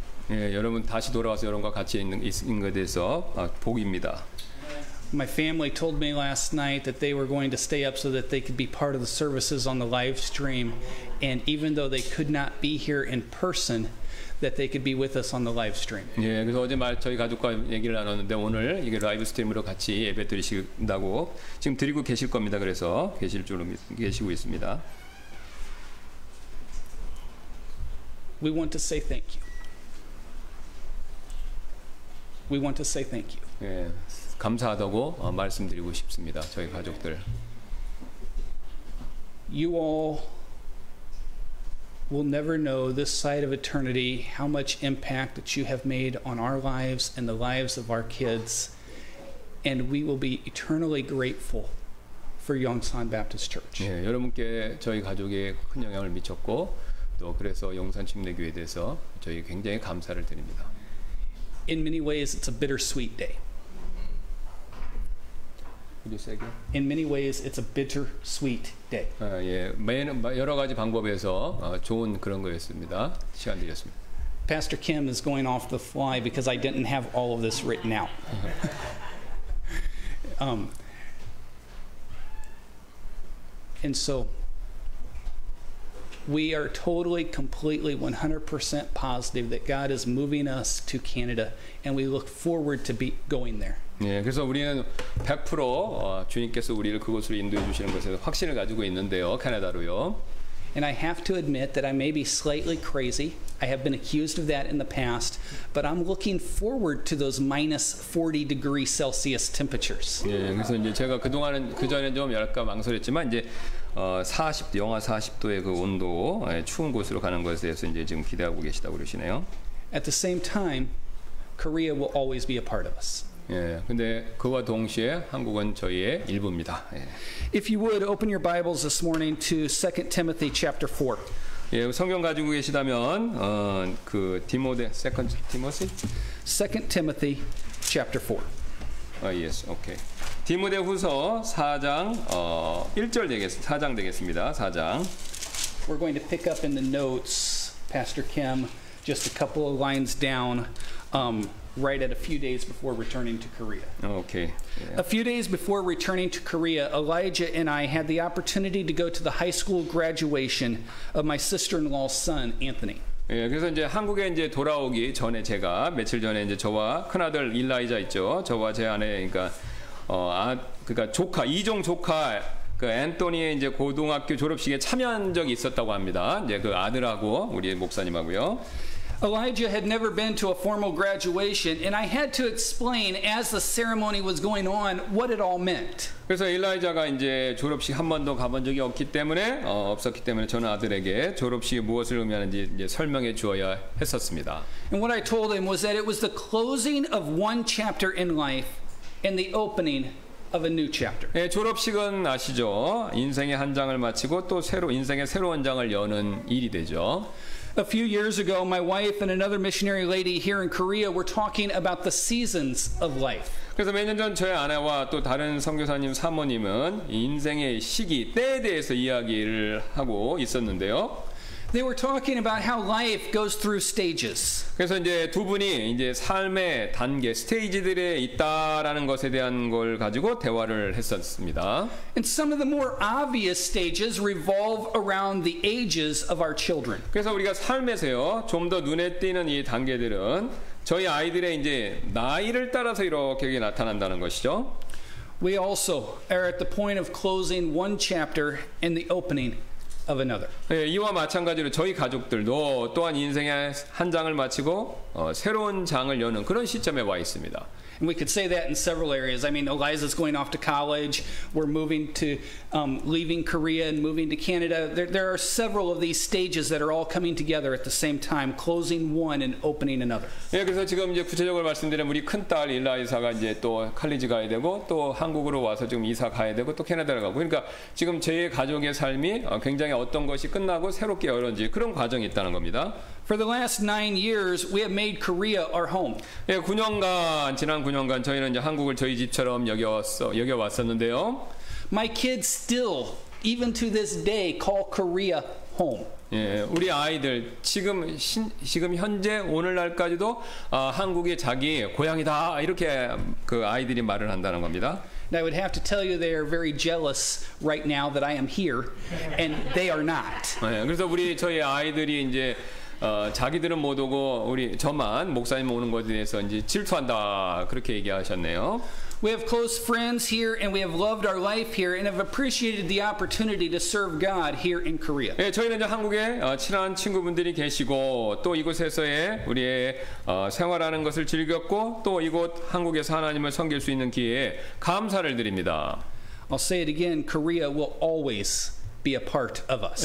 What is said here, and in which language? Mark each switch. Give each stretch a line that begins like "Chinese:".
Korean: 여러분 다시 돌아와서 여러분과 같이 있는 것에 대해서 복입니다.
English: My family told me last night that they were going to stay up so that they could be part of the services on the live stream, and even though they could not be here in person, that they could be with us on the live stream.
Korean: 예, 그래서 어제 말 저희 가족과 얘기를 나눴는데 오늘 이게 라이브 스트림으로 같이 예배 드리신다고 지금 드리고 계실 겁니다. 그래서 계실 줄로 계시고 있습니다.
English: We want to say thank you. We want to say thank you.
Korean: 예, 감사하다고 말씀드리고 싶습니다. 저희 가족들.
English: You all will never know this side of eternity how much impact that you have made on our lives and the lives of our kids, and we will be eternally grateful for Yongsan Baptist Church.
Korean: 예, 여러분께 저희 가족에 큰 영향을 미쳤고. 그래서 용산 침례교회에 대해서 저희 굉장히 감사를 드립니다.
English: In many ways, it's a bittersweet day. Could you say again? In many ways, it's a bittersweet day.
Korean: 아, 예, 여러 가지 방법에서 좋은 그런 거였습니다. 시간 드렸습니다.
English: Pastor Kim is going off the fly because I didn't have all of this written out. and so. We are totally, completely, 100% positive that God is moving us to Canada, and we look forward to be going there.
Korean: 예, 그래서 우리는 100% 주님께서 우리를 그곳으로 인도해 주시는 것에 확신을 가지고 있는데요, 캐나다로요.
English: And I have to admit that I may be slightly crazy. I have been accused of that in the past, but I'm looking forward to those minus 40 degree Celsius temperatures.
Korean: 예, 그래서 이제 제가 그전에 좀 약간 망설였지만 이제 40도, 영하 40도의 그 온도, 추운 곳으로 가는 것에 대해서 이제 지금 기대하고 계시다고 그러시네요.
English: At the same time, Korea will always be a part of us.
Korean: 예, 근데 그와 동시에 한국은 저희의 일부입니다. 예.
English: If you would open your Bibles this morning to 2 Timothy chapter 4.
Korean: 예, 성경 가지고 계시다면 그 디모데 2 Timothy?
English: 2 Timothy chapter 4. Yes, okay.
Korean: 디모데후서 4장 1절 되겠습니다. 4장 되겠습니다. 4장.
English: We're going to pick up in the notes, Pastor Kim, just a couple of lines down, right at a few days before returning to Korea. Okay. Yeah. A few days before returning to Korea, Elijah and I had the opportunity to go to the high school graduation of my sister-in-law's son, Anthony.
Korean: 예, 그래서 이제 한국에 이제 돌아오기 전에 제가 며칠 전에 이제 저와 큰아들 일라이자 있죠. 저와 제 아내 그러니까 그러니까 조카 이종 조카 그 앤토니의 이제 고등학교 졸업식에 참여한 적이 있었다고 합니다. 이제 그 아들하고 우리 목사님하고요.
English: Elijah had never been to a formal graduation, and I had to explain as the ceremony was going on what it all meant.
Korean: 그래서 일라이자가 이제 졸업식 한 번도 가본 적이 없기 때문에 없었기 때문에 저는 아들에게 졸업식이 무엇을 의미하는지 이제 설명해 주어야 했었습니다.
English: And what I told him was that it was the closing of one chapter in life and the opening of a new chapter.
Korean: 예, 졸업식은 아시죠? 인생의 한 장을 마치고 또 새로 인생의 새로운 장을 여는 일이 되죠.
English: A few years ago, my wife and another missionary lady here in Korea were talking about the seasons of life.
Korean: 그래서 몇 년 전 저의 아내와 또 다른 선교사님 사모님은 인생의 시기, 때에 대해서 이야기를 하고 있었는데요.
English: They were talking about how life goes through stages.
Korean: 그래서 이제 두 분이 이제 삶의 단계, 스테이지들에 있다라는 것에 대한 걸 가지고 대화를 했었습니다.
English: And some of the more obvious stages revolve around the ages of our children.
Korean: 그래서 우리가 삶에서요, 좀 더 눈에 띄는 이 단계들은 저희 아이들의 이제 나이를 따라서 이렇게 나타난다는 것이죠.
English: We also are at the point of closing one chapter and the opening of another.
Korean: 예, 이와 마찬가지로 저희 가족들도 또한 인생의 한 장을 마치고 새로운 장을 여는 그런 시점에 와 있습니다.
English: And we could say that in several areas. I mean, Eliza's going off to college. We're moving to leaving Korea and moving to Canada. There are several of these stages that are all coming together at the same time, closing one and opening another.
Korean: 예, 그래서 지금 이제 구체적으로 말씀드리면 우리 큰딸 일라이사가 이제 또 칼리지 가야 되고 또 한국으로 와서 지금 이사 가야 되고 또 캐나다로 가고 그러니까 지금 제 가족의 삶이 굉장히 어떤 것이 끝나고 새롭게 열었는지 그런 과정이 있다는 겁니다.
English: For the last 9 years, we have made Korea our home.
Korean: 예, 9년간 지난 9년간 저희는 이제 한국을 저희 집처럼 여겨왔었는데요.
English: My kids still, even to this day, call Korea home.
Korean: 예, 우리 아이들 지금 현재 오늘날까지도 한국이 자기 고향이다 이렇게 그 아이들이 말을 한다는 겁니다.
English: And I would have to tell you they are very jealous right now that I am here, and they are not.
Korean: 예, 그래서 우리 저희 아이들이 이제 자기들은 못 오고 우리 저만 목사님 오는 것에 대해서 이제 질투한다 그렇게 얘기하셨네요.
English: We have close friends here and we have loved our life here and have appreciated the opportunity to serve God here in Korea.
Korean: 예, 저희는 이제 한국에 친한 친구분들이 계시고 또 이곳에서의 우리의 생활하는 것을 즐겼고 또 이곳 한국에서 하나님을 섬길 수 있는 기회에 감사를 드립니다.
English: I'll say it again. Korea will always be a part of us.